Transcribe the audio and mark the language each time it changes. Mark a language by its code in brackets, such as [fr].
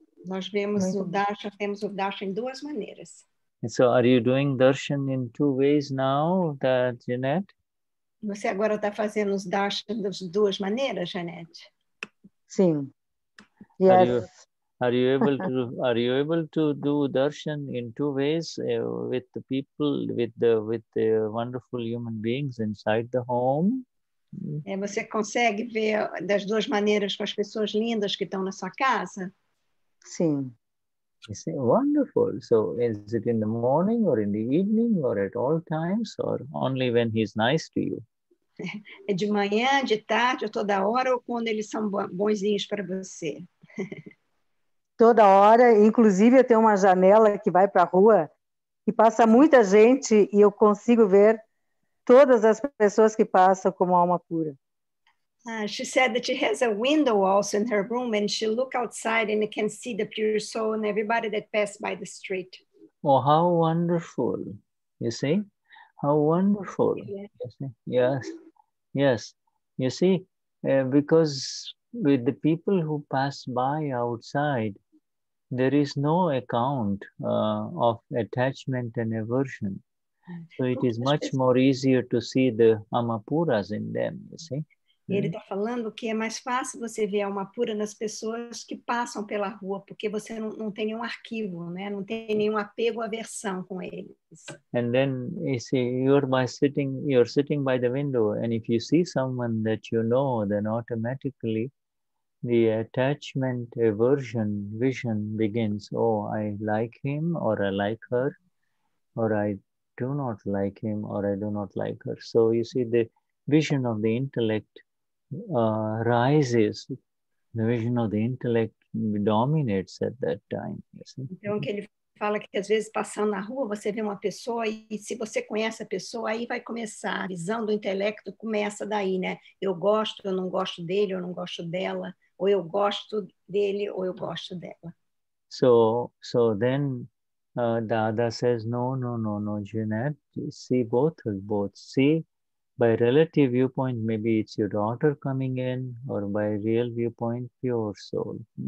[pt] Nós vemos o darshan, temos o darshan em duas maneiras. [en] And so are you doing darshan in two ways now, Janete? [pt] Você agora está fazendo os darshan das duas maneiras, Janete? Sim. [en] Yes. Are you able to do darshan in two ways with the people with the wonderful human beings inside the home? [pt] Você consegue ver das duas maneiras com as pessoas lindas que estão na sua casa? Sim. [en] It's wonderful. So is it in the morning or in the evening or at all times or only when he's nice to you? [pt] É de manhã, de tarde, ou toda hora ou quando eles são bonzinhos para você? Toda hora, inclusive eu tenho uma janela que vai para a rua e passa muita gente e eu consigo ver todas as pessoas que passam como alma pura. [en] She said that she has a window also in her room and she look outside and can see the pure soul and everybody that passed by the street. Oh, how wonderful, you see? How wonderful, yes, you see, because with the people who pass by outside, there is no account of attachment and aversion. So it is much more easier to see the amapuras in them, you see. [pt] Ele está falando que é mais fácil você ver a amapura nas pessoas que passam pela rua, porque você não tem nenhum arquivo, né? Não tem nenhum apego à aversão com eles. [en] And then, you see, you're sitting by the window, and if you see someone that you know, then automatically, the attachment, aversion, vision begins. Oh, I like him or I like her, or I do not like him or I do not like her. So you see, the vision of the intellect rises. The vision of the intellect dominates at that time. [pt] Então, que ele fala que às vezes passando na rua você vê uma pessoa e se você conhece a pessoa, aí vai começar. A visão do intelecto começa daí, né? Eu gosto dele, eu não gosto dela. ou eu gosto dele ou eu gosto dela. [en] So then Dada says, no, Jeanette, see both. See, by relative viewpoint, maybe it's your daughter coming in, or by real viewpoint, pure soul.